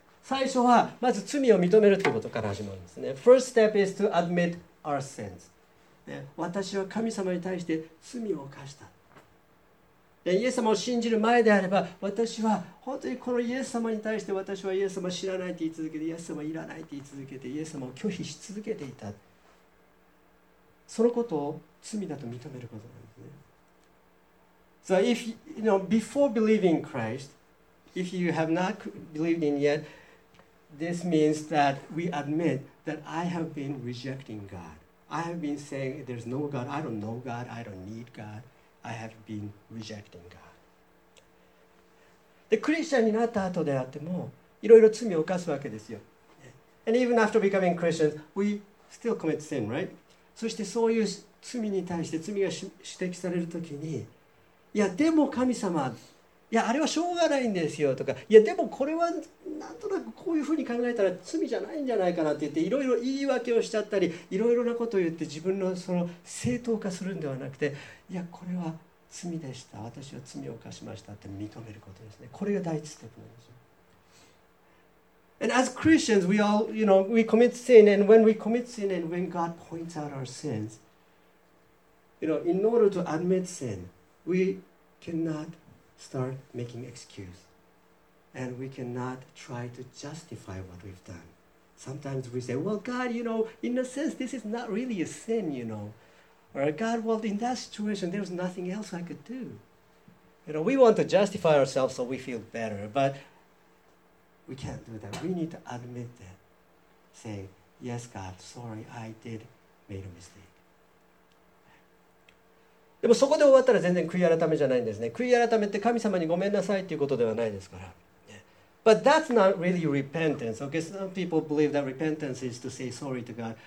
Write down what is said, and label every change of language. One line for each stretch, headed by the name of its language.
Japanese: 最初はまず罪を認めるということから始まるんですね。
English: First step is to admit our sins.、
Japanese: ね、私は神様に対して罪を犯した。でイエス様を信じる前であれば、私は本当にこのイエス様に対して、私はイエス様知らないと言い続けて、イエス様いらないと言い続けて、イエス様を拒否し続けていた。そのことを罪だと認めることなんですね。
English: So if you know before believing Christ, if you have not believed in yet, this means that we admit that I have been rejecting God. I have been saying there's no God. I don't know God. I don't need God. I have been rejecting God.
Japanese: で、クリスチャンになった後であっても、いろいろ罪を犯すわけですよ。
English: And even after becoming Christians, we still commit sin, right?
Japanese: そしてそういう罪に対して罪が指摘されるときに、いや、でも神様、いや、あれはしょうがないんですよとか、いや、でもこれはなんとなくこういうふうに考えたら罪じゃないんじゃないかなって言って、いろいろ言い訳をしちゃったり、いろいろなことを言って自分のその正当化するんではなくて、いや、これは罪でした。私は罪を犯しましたって認めることですね。これが第一ステップなんですよ。
English: And as Christians, we all, you know, we commit sin, and when we commit sin, and when God points out our sins, you know, in order to admit sin, we cannot start making excuse. And we cannot try to justify what we've done. Sometimes we say, well, God, you know, in a sense, this is not really a sin, you know. Or God, well, in that situation, there was nothing else I could do. You know, we want to justify ourselves so we feel better, but we can't do that. We need to admit that. Say, yes, God, sorry, I did make a mistake.
Japanese: でもそこで終わったら全然悔い改めじゃないんですね。悔い改めって神様にごめんなさいっていうことではないですから。
English: But that's not really repentance. Okay, some people believe that repentance is to say sorry to God.